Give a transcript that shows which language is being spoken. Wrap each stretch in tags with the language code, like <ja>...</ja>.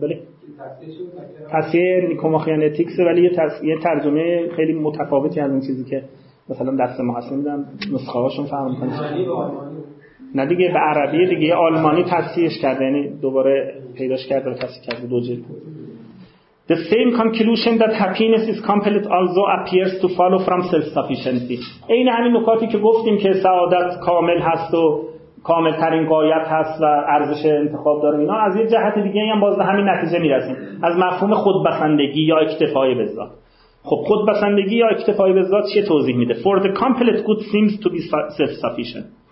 <fa>بله، تصحیح نیکوماخیانتیکس، ولی یه ترجمه خیلی متفاوتی از این چیزی که مثلا دست ما هست. میدن نسخه هاشون فهم میکنی نه دیگه، به عربی دیگه، آلمانی تصحیحش کرده، یعنی دوباره پیداش کرده و تصحیح کرده دو جلد.</fa> <en>The same conclusion that happiness is complete also appears to follow from self-sufficiency.</en> <fa>این همین نکاتی که گفتیم که سعادت کامل هست و کامل ترین غایت هست و ارزش انتخاب داره، اینا از یه جهت دیگه هم باز به همین نتیجه میرسیم، از مفهوم خودبسندگی یا اکتفای به ذات. خب خودبسندگی یا اکتفای به ذات چیه توضیح میده؟</fa> <en>For the complete good seems to be self-sufficient.</en>